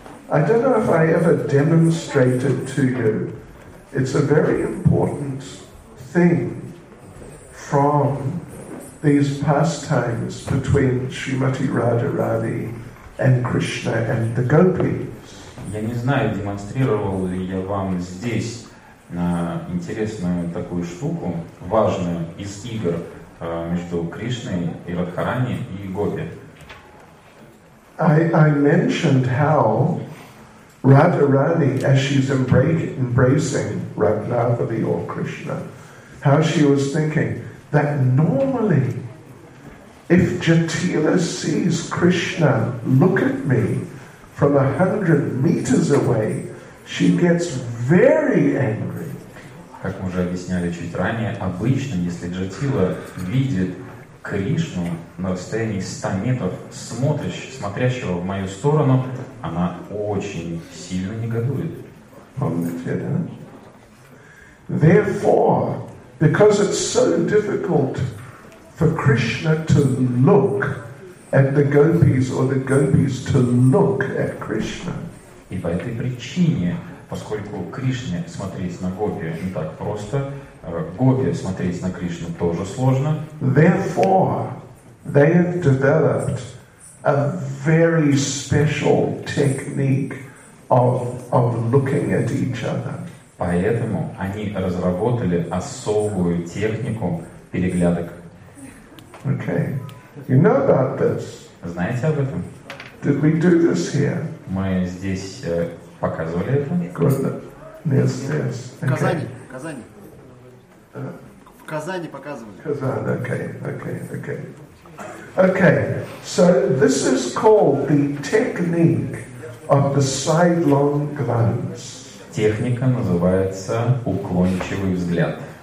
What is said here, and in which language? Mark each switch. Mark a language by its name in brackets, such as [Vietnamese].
[English] I don't know if I ever demonstrated to you. It's a very important thing from these pastimes between Srimati Radharani and Krishna and the gopis. [Russian] Я не знаю, демонстрировал ли я вам здесь интересную такую штуку, важную из игр между Кришной и Радхарани и гопи. [English] I mentioned how Radharani, as she's embracing Raghunathavi or Krishna, how she was thinking that normally, if Jatila sees Krishna look at me from 100 meters away, she gets very angry. [Russian] Как мы уже объясняли чуть ранее, обычно, если Джатила видит Кришну на расстоянии 100 метров, смотрящего в мою сторону, она очень сильно негодует. Помните, да? [English] Therefore, because it's so difficult for Krishna to look at the gopis or the gopis to look at Krishna. [Russian] И по этой причине, поскольку Кришне смотреть на гопи не так просто, гопи смотреть на Кришну тоже сложно. [English] Therefore, they have developed a very special technique of looking at each other. [Russian] Поэтому они разработали особую технику переглядок. [English] Okay. You know about this? [Russian] Знаете об этом? [English] Did we do this here? [Russian] Мы здесь показывали это? [English] Yes. [Russian] Okay. В Казани. В Казани показывали. Казань, okay. [English] Okay, so this is called the technique of the sidelong glance. [Russian] Техника называется уклончивый взгляд.